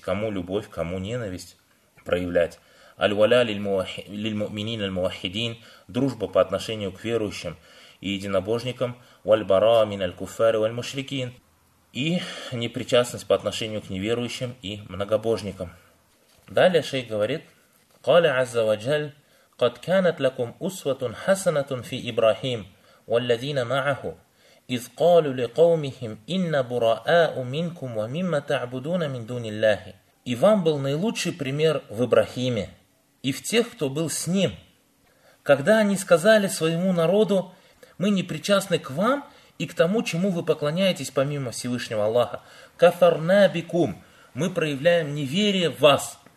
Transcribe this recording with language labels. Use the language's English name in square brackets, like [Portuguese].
[Russian] Кому любовь, кому ненависть проявлять. [Arabic] Аль валя лиль муминин аль муахидин, [Russian] дружба по отношению к верующим и единобожникам, [Arabic] вальбара мин аль-куфари валь-мушрикин, [Russian] и непричастность по отношению к неверующим и многобожникам. Далее шейх говорит: [Arabic] قال عز وجل قد كانت لكم أسوة حسنة في إبراهيم والذين معه إذ قالوا لقومهم إن براء منكم ومما تعبدون من دون الله. [Russian] И вам был наилучший пример в Ибрахиме и в тех, кто был с ним, когда они сказали своему народу: мы не причастны к вам и к тому, чему вы поклоняетесь помимо Всевышнего Аллаха. [Arabic] Кафарна бикум. [Russian] Мы проявляем неверие в вас.